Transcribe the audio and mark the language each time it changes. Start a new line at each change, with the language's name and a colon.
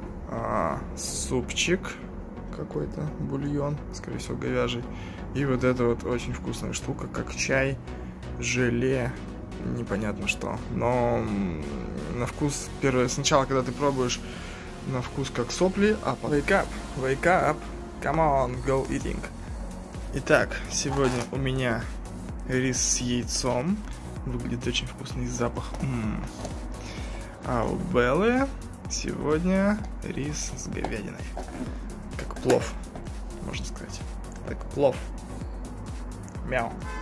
Russian: А, супчик какой-то, бульон, скорее всего говяжий. И вот эта вот очень вкусная штука, как чай, желе, непонятно что. Но на вкус первое, сначала, когда ты пробуешь, на вкус как сопли, а потом...
English: wake up, come on, go eating.
Russian: Итак, сегодня у меня рис с яйцом. Выглядит очень вкусный запах. А у Беллы сегодня рис с говядиной. Как плов, можно сказать. Так, плов. Мяу.